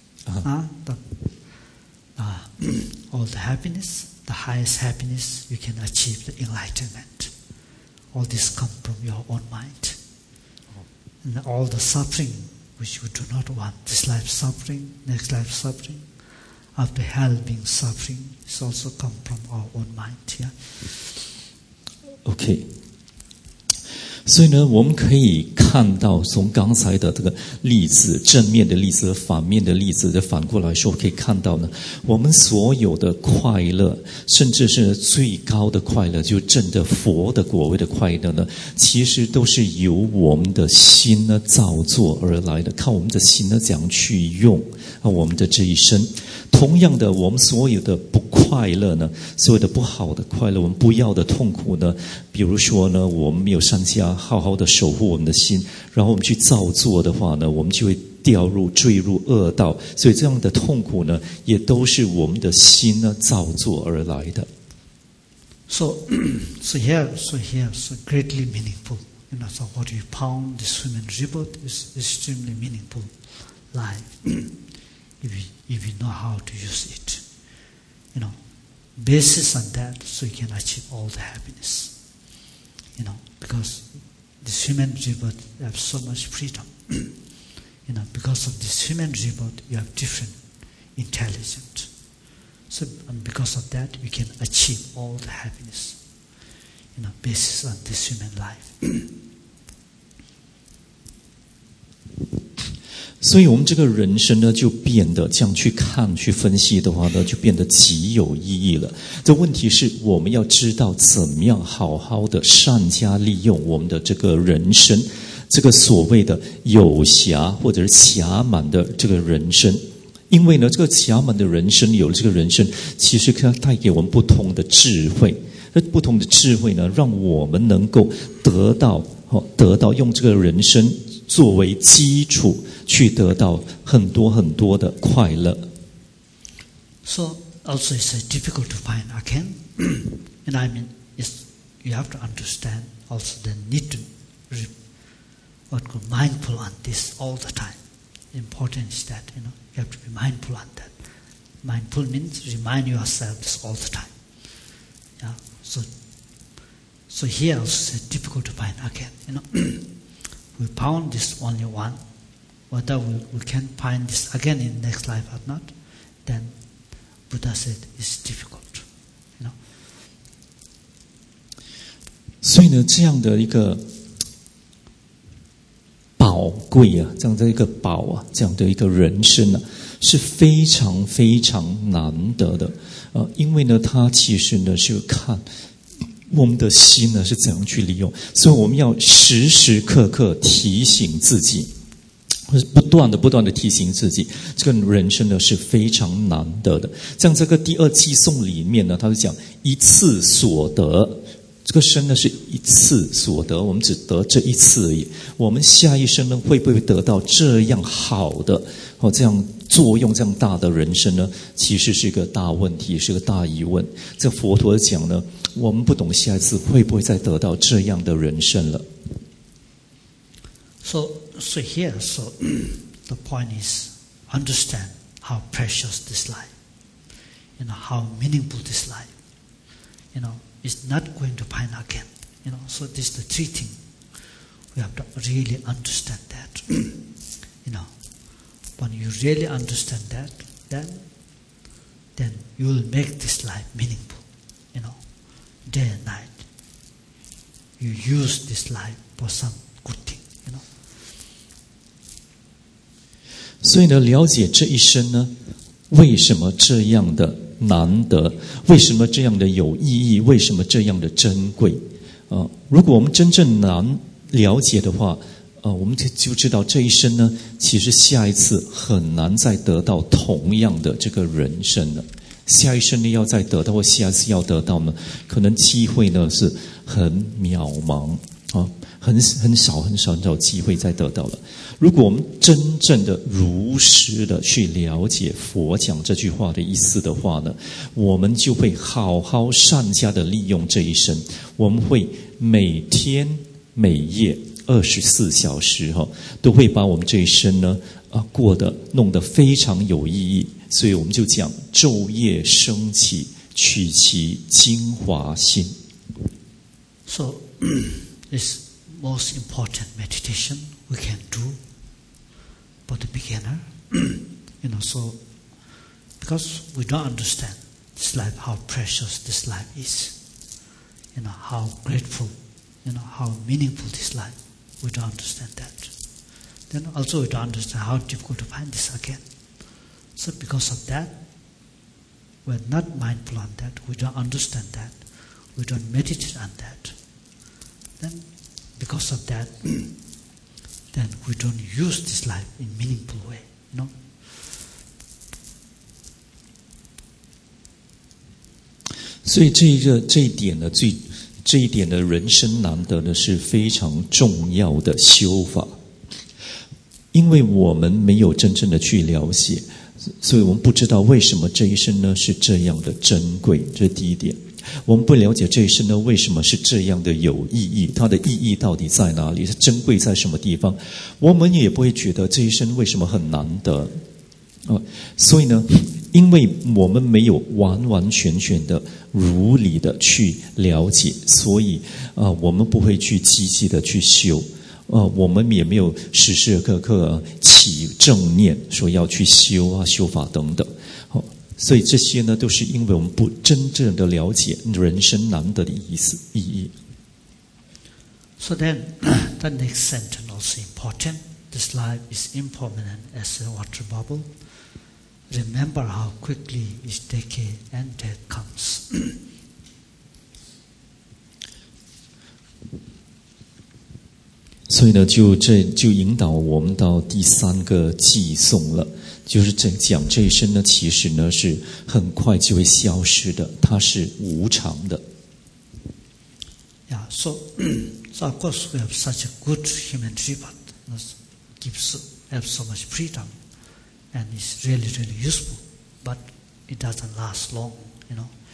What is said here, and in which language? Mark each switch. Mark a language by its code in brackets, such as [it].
[en] All the happiness, the highest happiness you can achieve, the enlightenment. All this comes from your own mind. And all the suffering. Which you do not want. This life suffering, next life suffering, after hell being suffering, it's also come from our own mind. Yeah. Okay. [zh] 所以呢，我们可以看到从刚才的这个例子，正面的例子和反面的例子，反过来说，可以看到呢，我们所有的快乐，甚至是最高的快乐，就证得佛的果位的快乐呢，其实都是由我们的心呢造作而来的，靠我们的心呢怎样去用啊我们的这一生。同样的，我们所有的不快乐呢，所有的不好的快乐，我们不要的痛苦呢，比如说呢，我们没有善加好好的守护我们的心，然后我们去造作的话呢，我们就会掉入坠入恶道，所以这样的痛苦呢，也都是我们的心呢造作而来的。 [en] So greatly meaningful. You know, so what you found this human rebirth is extremely meaningful life. If you know how to use it, you know, basis on that, so you can achieve all the happiness. You know, because this human rebirth, you have so much freedom. You know, because of this human rebirth, you have different intelligence. So, and because of that, we can achieve all the happiness, you know, based on this human life. [zh] 所以我们这个人生呢就变得这样去看去分析的话呢就变得极有意义了。这问题是我们要知道怎么样好好的善加利用我们的这个人生，这个所谓的有暇或者是暇满的这个人生。因为呢这个暇满的人生，有了这个人生，其实它带给我们不同的智慧。那不同的智慧呢让我们能够得到用这个人生作为基础去得到很多很多的快乐。 [en] So also it's difficult to find again. And I mean, it's, you have to understand also the need to what called mindful on this all the time. The importance is that, you know, you have to be mindful on that. Mindful means remind yourself this all the time. Yeah. So here also it's difficult to find again, you know. We found this only one. Whether we can find this again in next life or not, then Buddha said it's difficult. You know? [zh] 所以呢，这样的一个宝贵啊，这样的一个宝啊，这样的一个人生啊，是非常非常难得的。因为呢，它其实呢是看我们的心呢是怎样去利用，所以我们要时时刻刻提醒自己。不断的不断的提醒自己，这个人生呢是非常难得的。像这个第二偈颂里面呢，他是讲一次所得，这个生呢是一次所得，我们只得这一次而已。我们下一生呢会不会得到这样好的或这样作用这样大的人生呢？其实是一个大问题，是个大疑问。这佛陀讲呢，我们不懂下一次会不会再得到这样的人生了。 [en] So here, so the point is understand how precious this life, you know, how meaningful this life, you know, is not going to find again, you know. So this is the three things we have to really understand that, you know. When you really understand that, then you will make this life meaningful, you know, day and night. You use this life for some good thing. [zh] 所以呢，了解这一生呢，为什么这样的难得，为什么这样的有意义，为什么这样的珍贵？如果我们真正能了解的话，我们就知道这一生呢，其实下一次很难再得到同样的这个人生了。下一生呢，要再得到或下一次要得到呢，可能机会呢是很渺茫啊。很少机会再得到了。如果我们真正的如实的去了解佛讲这句话的意思的话呢，我们就会好好善加的利用这一生。我们会每天每夜24小时哈，都会把我们这一生呢过得弄得非常有意义。所以我们就讲昼夜升起，取其精华心。 [en] So this. Most important meditation we can do for the beginner, you know, so because we don't understand this life, how precious this life is, you know, how grateful, you know, how meaningful this life, we don't understand that. Then also we don't understand how difficult to find this again. So because of that, we're not mindful on that, we don't understand that, we don't meditate on that, then. Because of that, then we don't use this life in a meaningful way, you know? [zh] 所以这一点的人生难得的是非常重要的修法。因为我们没有真正的去了解，所以我们不知道为什么这一生呢是这样的珍贵，这是第一点。我们不了解这一生呢为什么是这样的有意义，它的意义到底在哪里，珍贵在什么地方，我们也不会觉得这一生为什么很难得，所以呢，因为我们没有完完全全的如理的去了解，所以我们不会去积极的去修，我们也没有时时刻刻起正念说要去修啊、修法等等。所以这些呢，都是因为我们不真正的了解人生难得的意义。 [en] So then, the next sentence also important. This life is impermanent as a water bubble. Remember how quickly each decay and death comes. [zh] 所以呢，就引导我们到第三个偈颂了。就是在讲这一生呢，其实呢是很快就会消失的，它是无常的。 [en] Yeah, so of course we have such a good human tripod, have so much freedom, and it's really really useful, but it doesn't last long, you know.